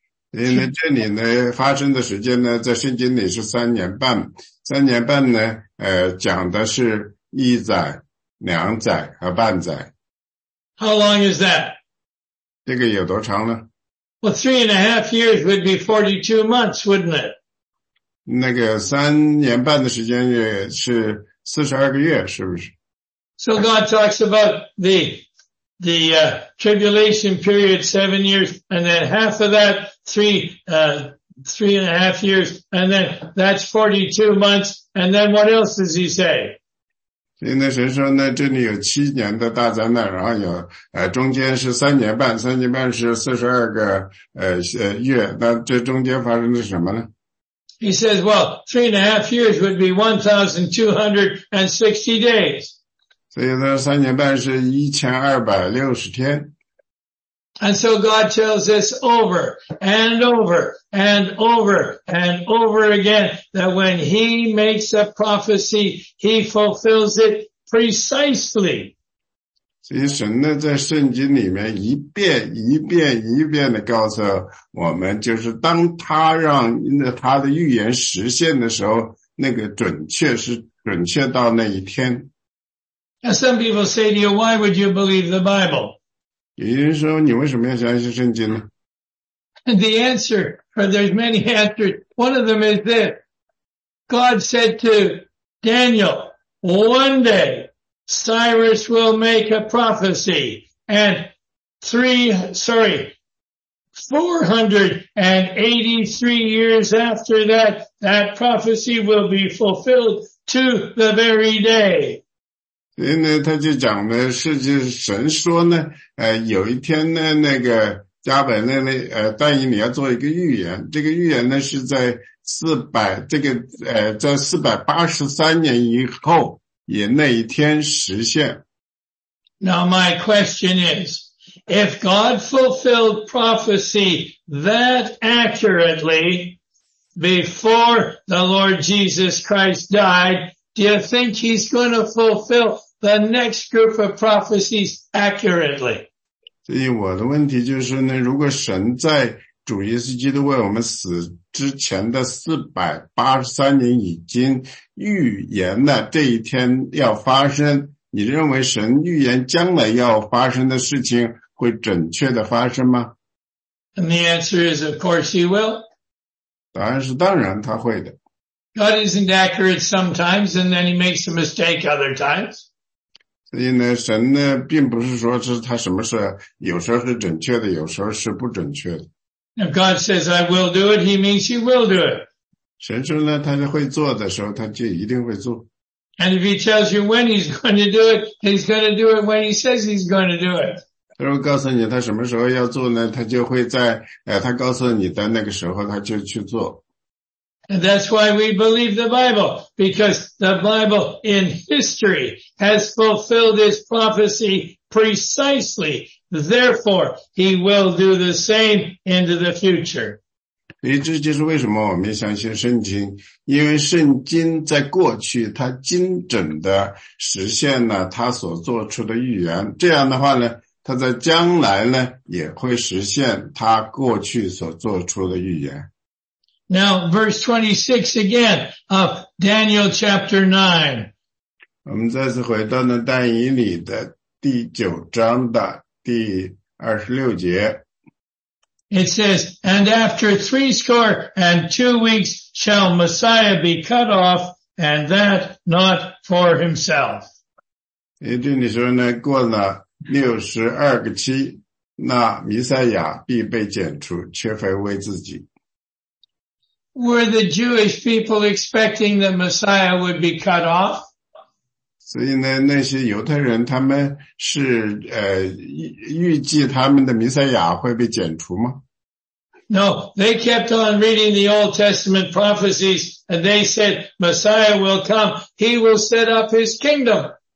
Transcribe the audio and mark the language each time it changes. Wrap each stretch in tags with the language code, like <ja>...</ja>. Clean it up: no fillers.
<zh>因为这里呢发生的时间呢在圣经里是三年半呢讲的是一载两载和半载。</zh> <en>How long is that?</en> <zh>这个有多长呢？</zh> <en>Well, 3.5 years would be 42 months, wouldn't it?</en> <zh>那个三年半的时间也是42个月，是不是？</zh> <en>So God talks about the tribulation period, 7 years, and then half of that, three and a half years, and then that's 42 months, and then what else does he say?</en> <zh>因为神说呢，这里有七年的大灾难，然后有中间是三年半，三年半是42个月，那这中间发生了什么呢？</zh> <en>He says, well, 3.5 years would be 1,260 days.</en> <zh>所以呢，三年半是1260天。</zh> <en>And so God tells us over and over and over and over again that when he makes a prophecy, he fulfills it precisely.</en> <zh>所以神呢在圣经里面一遍一遍一遍地告诉我们，就是当他让他的预言实现的时候，那个准确是准确到那一天。</zh> <en>And some people say to you, why would you believe the Bible?</en> <zh>有人说你为什么要相信圣经呢？</zh> <en>The answer, or there's many answers. One of them is this. God said to Daniel, one day Cyrus will make a prophecy and 483 years after that, that prophecy will be fulfilled to the very day.</en> <zh>所以呢他就讲的是就是神说呢有一天呢那个加百列呢但以理要做一个预言，这个预言呢是在483年以后也那一天实现。</zh> <en>Now my question is, if God fulfilled prophecy that accurately before the Lord Jesus Christ died, do you think he's going to fulfill the next group of prophecies accurately?</en> <zh>所以我的问题就是呢，如果神在主耶稣基督为我们死之前的483年已经预言了这一天要发生，你认为神预言将来要发生的事情会准确的发生吗？</zh> <en>And the answer is, of course he will.</en> <zh>答案是当然他会的。</zh> <en>God isn't accurate sometimes, and then he makes a mistake other times.</en> <zh>所以呢神呢并不是说是他什么事有时候是准确的有时候是不准确的。</zh> <en>If God says I will do it, he means he will do it.</en> <zh>神说呢他就会做的时候他就一定会做。</zh> <en>And if he tells you when he's going to do it, he's going to do it when he says he's going to do it.</en> <zh>他说告诉你他什么时候要做呢，他就会在他告诉你的那个时候他就去做。</zh> <en>And that's why we believe the Bible, because the Bible in history has fulfilled this prophecy precisely. Therefore, he will do the same into the future.</en> <zh>这就是为什么我们相信圣经，因为圣经在过去它精准地实现了它所做出的预言，这样的话呢，它在将来呢也会实现它过去所做出的预言。</zh> <en>Now, verse 26 again of Daniel chapter 9.</en> <zh>我们再次回到呢但以理的第九章的第26节。</zh> <en>It says, and after 62 weeks shall Messiah be cut off, and that not for himself.</en> <zh>也就是说呢过了62个期那弥赛亚必被剪除却非为自己。</zh> <en>Were the Jewish people expecting the Messiah would be cut off?</en> <zh>所以呢那些犹太人他们是预计他们的弥赛亚会被剪除吗？</zh> <en>No, they kept on reading the Old Testament prophecies and they said, Messiah will come, he will set up his kingdom.</en>